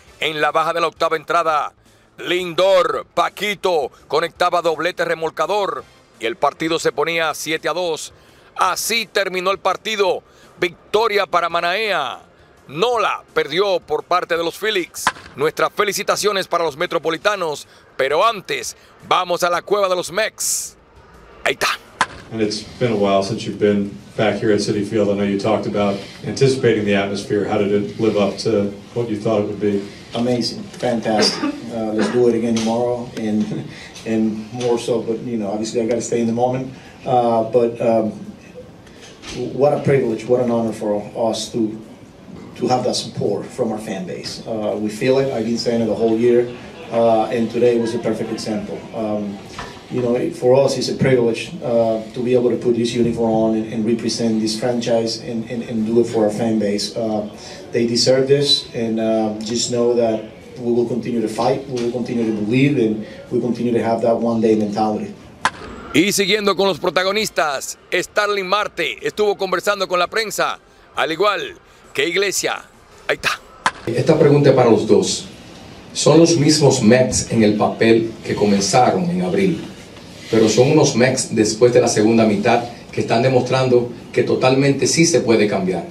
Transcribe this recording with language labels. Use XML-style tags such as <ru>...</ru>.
<es>En la baja de la octava entrada, Lindor, Paquito conectaba doblete remolcador y el partido se ponía 7-2. Así terminó el partido. Victoria para Manaea. Nola perdió por parte de los Phillies. Nuestras felicitaciones para los Metropolitanos. Pero antes, vamos a la cueva de los Mex. Ahí está.</es> <en>And it's been a while since you've been back here at Citi Field. I know you talked about anticipating the atmosphere. How did it live up to what you thought it would be? Amazing. Fantastic. Let's do it again tomorrow and more so. But, you know, obviously I got to stay in the moment. What a privilege, what an honor for us to have that support from our fan base. We feel it. I've been saying it the whole year. And today was a perfect example. You know, for us, it's a privilege to be able to put this uniform on and represent this franchise and do it for our fan base. They deserve this, and just know that we will continue to fight, we will continue to believe, and we continue to have that one day mentality.</en> <es>Y siguiendo con los protagonistas, Starling Marte estuvo conversando con la prensa, al igual que Iglesia. Ahí está. Esta pregunta es para los dos. Son los mismos Mets en el papel que comenzaron en abril, pero son unos Mets después de la segunda mitad que están demostrando que totalmente sí se puede cambiar.</es>